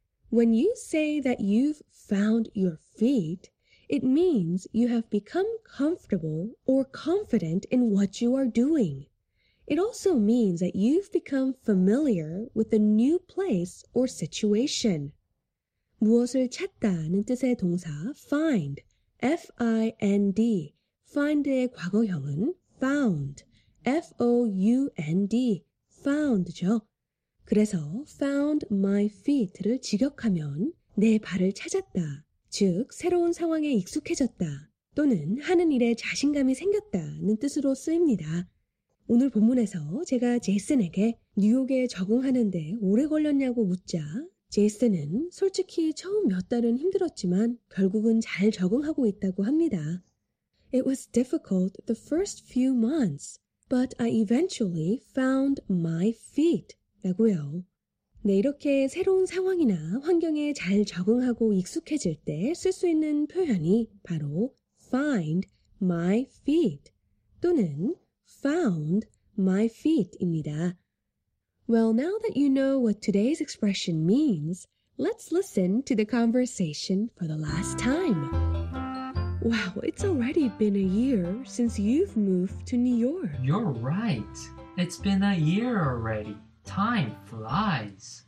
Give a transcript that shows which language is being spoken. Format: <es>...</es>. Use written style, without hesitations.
<en>When you say that you've found your feet, it means you have become comfortable or confident in what you are doing. It also means that you've become familiar with a new place or situation.</en> <ko>무엇을 찾다는 뜻의 동사 find, F-I-N-D, find의 과거형은 found, F-O-U-N-D, found죠. 그래서</ko> <en>found my feet</en> <ko>를 직역하면 내 발을 찾았다, 즉 새로운 상황에 익숙해졌다 또는 하는 일에 자신감이 생겼다는 뜻으로 쓰입니다. 오늘 본문에서 제가 제이슨에게 뉴욕에 적응하는 데 오래 걸렸냐고 묻자 제이슨은 솔직히 처음 몇 달은 힘들었지만 결국은 잘 적응하고 있다고 합니다.</ko> <en>It was difficult the first few months, but I eventually found my feet.</en> <ko>라고요. 네, 이렇게 새로운 상황이나 환경에 잘 적응하고 익숙해질 때 쓸 수 있는 표현이 바로</ko> <en>find my feet</en> <ko>또는</ko> <en>found my feet</en> <ko>입니다.</ko> <en>Well, now that you know what today's expression means, let's listen to the conversation for the last time. Wow, it's already been a year since you've moved to New York. You're right. It's been a year already. Time flies.</en>